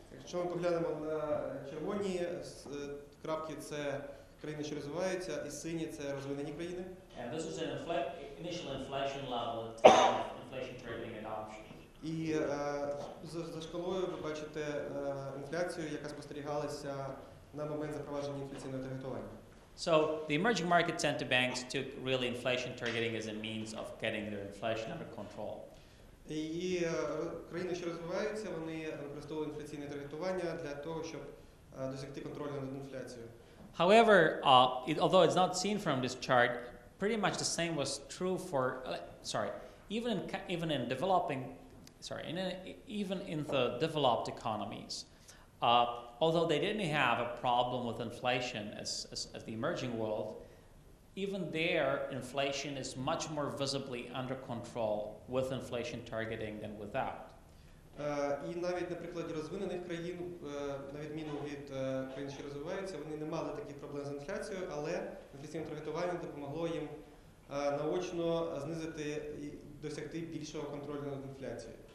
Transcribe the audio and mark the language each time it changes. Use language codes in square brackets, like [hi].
[uk] Якщо ми поглянемо на червоні крапки, це країни, що розвиваються, і сині це розвинені країни. [en] And this is an initial inflation level of inflation targeting adoption. [uk] І за шкалою ви бачите інфляцію, яка спостерігалася на момент запровадження інфляційного таргетування. [en] So the emerging market central banks took really inflation targeting as a means of getting their inflation under control. [uk] І країни, що розвиваються, вони використовували інфляційне таргетування для того, щоб досягти контролю над інфляцією. [en] However, although it's not seen from this chart, pretty much the same was true for even in the developed economies. Although they didn't have a problem with inflation as the emerging world, even there, inflation is much more visibly under control with inflation targeting than without. [uk] І навіть на прикладі розвинених країн, на відміну від країн, що розвиваються, вони не мали таких проблем з інфляцією, але інфляційне таргетування допомогло їм наочно знизити і досягти більшого контролю над інфляцією.